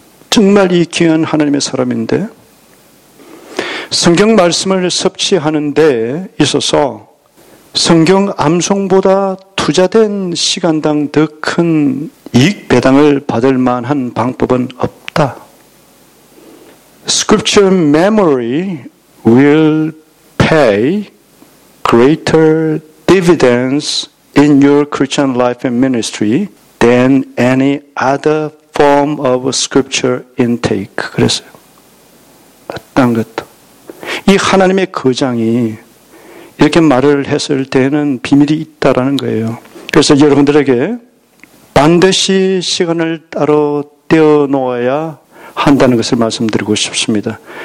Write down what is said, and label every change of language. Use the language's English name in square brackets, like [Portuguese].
[Korean] 정말 이 귀한 하나님의 사람인데 성경 말씀을 섭취하는 데 있어서 성경 암송보다 투자된 시간당 더 큰 이익 배당을 받을 만한 방법은 없다. [English] Scripture memory will pay greater dividends in your Christian life and ministry than any other form of scripture intake. [Korean] 그랬어요. 어떤 것도. 이 하나님의 거장이 이렇게 말을 했을 때에는 비밀이 있다라는 거예요. 그래서 여러분들에게 반드시 시간을 따로 떼어놓아야 한다는 것을 말씀드리고 싶습니다.